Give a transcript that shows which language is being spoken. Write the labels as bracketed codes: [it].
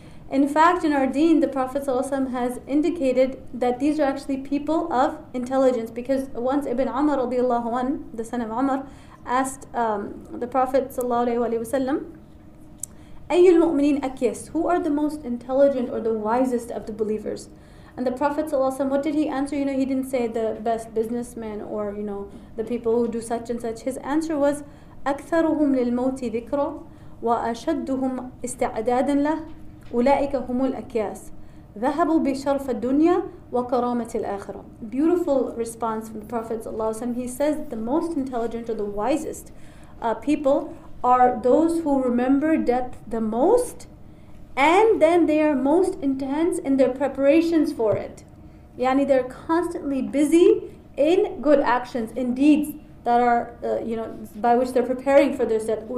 [en] In fact, in our deen, the Prophet ﷺ has indicated that these are actually people of intelligence, because once Ibn Umar radiallahu anhu, the son of Umar, asked the Prophet ﷺ, [ar] أَيُّ الْمُؤْمِنِينَ أَكْيَسُ, [en] who are the most intelligent or the wisest of the believers? And the Prophet ﷺ, what did he answer? You know, he didn't say the best businessman or, you know, the people who do such and such. His answer was, [ar] أَكْثَرُهُمْ لِلْمَوْتِ ذِكْرًا وَأَشَدُّهُمْ إِسْتِعْدَادًا لَهُ أُولَٰئِكَ هُمُ الْأَكْيَاسِ ذَهَبُوا بِشَرْفَ الدُّنْيَا وَكَرَامَةِ الْآخِرَةِ. [en] Beautiful response from the Prophet ﷺ. He says that the most intelligent or the wisest people are those who remember death the most, and then they are most intense in their preparations for it. Yani they're constantly busy in good actions, in deeds that are, you know, by which they're preparing for their death.